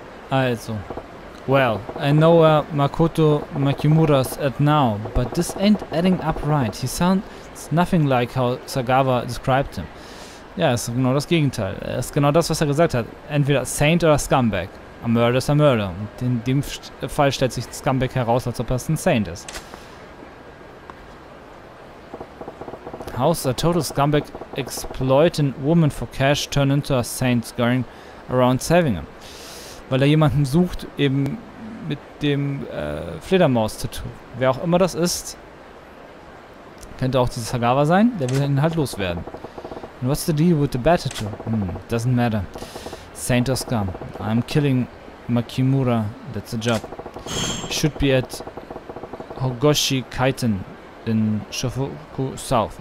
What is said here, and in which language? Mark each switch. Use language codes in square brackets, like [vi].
[en] Also, well, I know where Makoto Makimura's at now, but this ain't adding up right. He sounds nothing like how Sagawa described him. [de] Ja, es ist genau das Gegenteil. Es ist genau das, was er gesagt hat. Entweder Saint oder Scumbag. [en] A murder is a murder. [de] Und in dem Fall stellt sich Scumbag heraus, als ob er ein Saint ist. [en] How's a total scumbag exploiting woman for cash turn into a saint going around saving him? [de] Weil er jemanden sucht, eben mit dem Fledermaus-Tattoo. Wer auch immer das ist, könnte auch dieses Sagawa sein, der will ihn halt loswerden. [en] And what's the deal with the bad tattoo? Hmm, doesn't matter. Saint or scum. I'm killing Makimura, that's the job. Should be at Hogoshi Kaiten in Shofuku South.